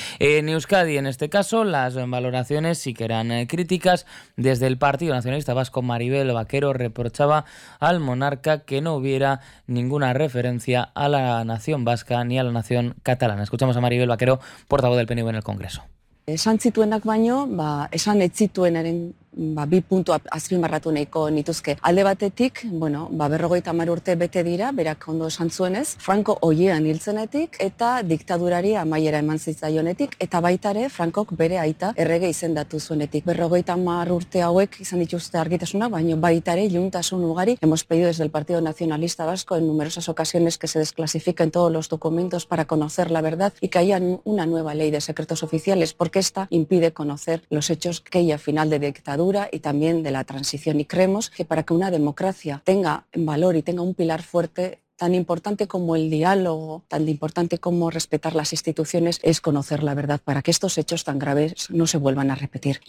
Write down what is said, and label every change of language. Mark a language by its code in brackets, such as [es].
[es] En Euskadi, en este caso, las valoraciones sí que eran críticas. Desde el Partido Nacionalista Vasco, Maribel Vaquero reprochaba al monarca que no hubiera ninguna referencia a la nación vasca ni a la nación catalana. Escuchamos a Maribel Vaquero, portavoz del PNV en el Congreso. [eu] Esan zituenak baino, esan ez zituenaren bi puntu azpimarratu nahiko nituzke. Alde batetik, berrogeita hamar urte bete dira, berak ondo esan zuenez, Franco hoiean hiltzenetik eta diktadurari amaiera eman zitzaionetik, eta baitare Frankok bere aita errege izendatu zuenetik. Berrogeita hamar urte hauek izan dituzte argitasunak, baino baitare iluntasun ugari. [es] Hemos pedido desde el Partido Nacionalista Vasco en numerosas ocasiones que se desclasifiquen todos los documentos para conocer la verdad y que haya una nueva ley de secretos oficiales, porque esta impide conocer los hechos que hay al final de dictadura y también de la transición. Y creemos que para que una democracia tenga valor y tenga un pilar fuerte, tan importante como el diálogo, tan importante como respetar las instituciones, es conocer la verdad para que estos hechos tan graves no se vuelvan a repetir.